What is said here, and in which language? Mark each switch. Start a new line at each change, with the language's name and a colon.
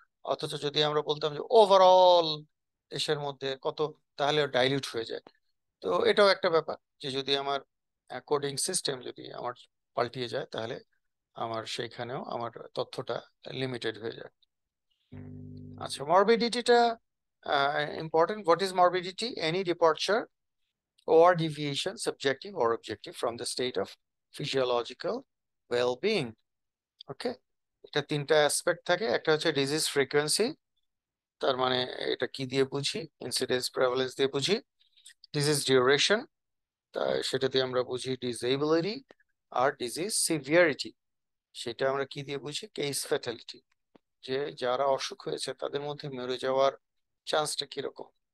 Bangla: অথচ যদি আমরা বলতাম যে ওভারঅল দেশের মধ্যে কত, তাহলে ডাইলিউট হয়ে যায়। তো এটাও একটা ব্যাপার যে যদি আমার কোডিং সিস্টেম যদি আমার পাল্টিয়ে যায়, তাহলে আমার সেইখানেও আমার তথ্যটা লিমিটেড হয়ে যায়। আচ্ছা, মর্বিডিটিটা
English: Important. What is morbidity? Any departure or deviation, subjective or objective, from the state of physiological well-being.
Bangla: Okay. এটা তিনটা অ্যাসপেক্ট থাকে। একটা হচ্ছে ডিজিজ ফ্রিকোয়েন্সি, তার মানে এটা কি দিয়ে বুঝি, ইনসিডেন্স প্রেভালেন্স দিয়ে বুঝি। ডিজিজ ডিউরেশন, সেটা দিয়ে আমরা বুঝি ডিজেবিলিটি। আর ডিজিজ সিভিয়ারিটি, সেটা আমরা কি দিয়ে বুঝি, কেস ফ্যাটালিটি, যে যারা অসুখ হয়েছে তাদের মধ্যে মরে যাওয়ার চান্সটা কিরকম।